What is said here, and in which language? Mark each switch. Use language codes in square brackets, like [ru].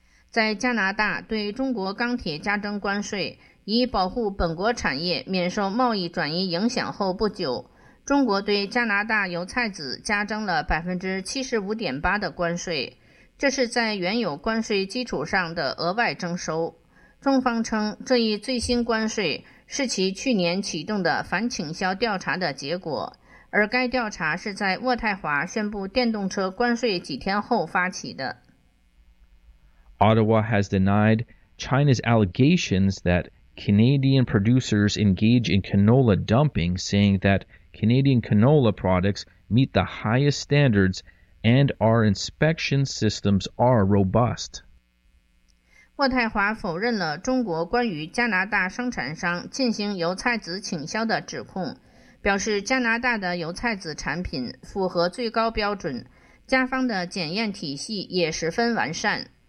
[zh] 在加拿大对中国钢铁加征关税，以保护本国产业免受贸易转移影响后不久，中国对加拿大油菜籽加征了 75.8% 的关税，这是在原有关税基础上的额外征收。中方称，这一最新关税是其去年启动的反倾销调查的结果，而该调查是在渥太华宣布电动车关税几天后发起的。 [en] Ottawa has denied China's allegations that Canadian producers engage in canola dumping, saying that Canadian canola products meet the highest standards and our inspection systems are robust. [zh] 渥太华否认了中国关于加拿大生产商进行油菜籽倾销的指控，表示加拿大的油菜籽产品符合最高标准，加方的检验体系也十分完善。